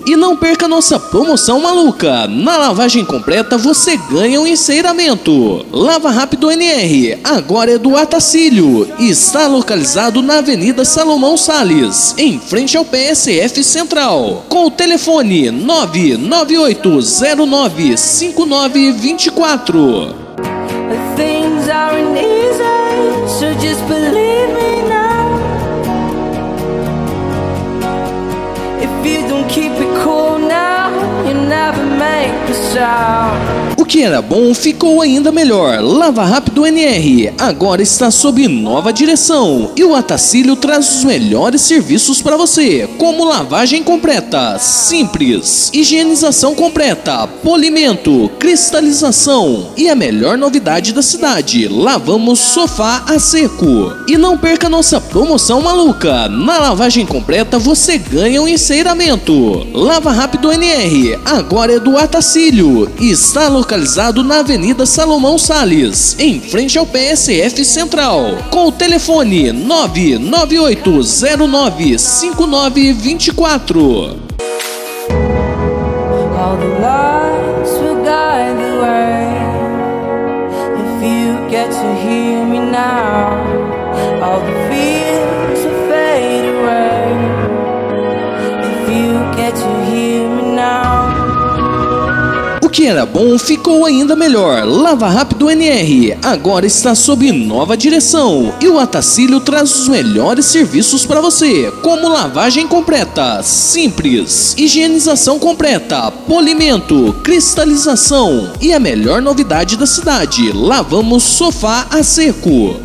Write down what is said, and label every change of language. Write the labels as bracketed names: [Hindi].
[Portuguese] E não perca nossa promoção maluca, na lavagem completa você ganha um enceiramento. Lava Rápido NR agora é do Atacílio, está localizado na Avenida Salomão Salles, em frente ao PSF Central, com o telefone 998095924. [English] Things aren't easy, so just believe me now. If you don't keep it cool now, you never make the sound. [Portuguese] O que era bom, ficou ainda melhor. Lava Rápido NR agora está sob nova direção e o Atacílio traz os melhores serviços para você, como lavagem completa, simples, higienização completa, polimento, cristalização e a melhor novidade da cidade, lavamos sofá a seco. E não perca nossa promoção maluca, na lavagem completa você ganha um enceiramento. Lava Rápido NR agora é do Atacílio, está localizado na Avenida Salomão Salles, em frente ao PSF Central, com o telefone 998095924. [English] All the lights will guide the way. If you get to hear me now, all the fears will fade away. If you get to hear me now. [Portuguese] O que era bom, ficou ainda melhor. Lava Rápido NR agora está sob nova direção e o Atacílio traz os melhores serviços para você, como lavagem completa, simples, higienização completa, polimento, cristalização e a melhor novidade da cidade, lavamos sofá a seco.